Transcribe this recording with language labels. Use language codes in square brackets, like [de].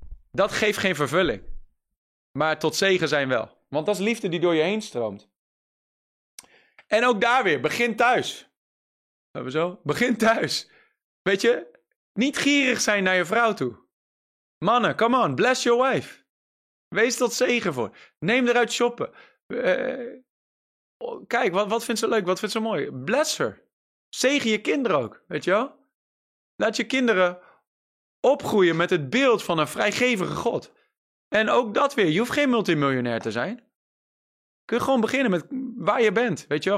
[nl] dat geeft geen vervulling. Maar tot zegen zijn wel. Want dat is liefde die door je heen stroomt. En ook daar weer, begin thuis. Zo. Begin thuis. Weet je, niet gierig zijn naar je vrouw toe. [en] Mannen, come on, bless your wife. [nl] Wees tot zegen voor. Neem eruit shoppen. Kijk, wat vindt ze leuk, wat vindt ze mooi. [en] Bless her. [nl] Zegen je kinderen ook, weet je wel. Laat je kinderen opgroeien met het beeld van een vrijgevige God. En ook dat weer, je hoeft geen multimiljonair te zijn. Kun je gewoon beginnen met waar je bent, weet je wel.